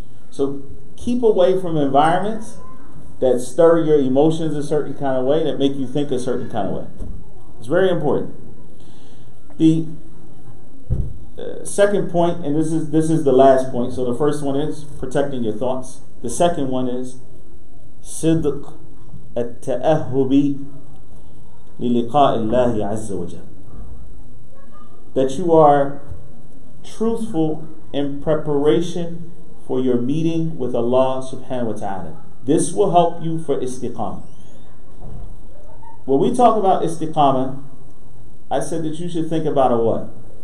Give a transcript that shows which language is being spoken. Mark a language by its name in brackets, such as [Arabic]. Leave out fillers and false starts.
[English] So keep away from environments that stir your emotions a certain kind of way, that make you think a certain kind of way. It's very important. The second point, and this is the last point. So the first one is protecting your thoughts. The second one is [Arabic] صدق التأهب للقاء الله عز وجل. [English] That you are truthful in preparation for your meeting with Allah Subhanahu wa Ta'ala. This will help you for istiqamah. When we talk about istiqamah, I said that you should think about a what?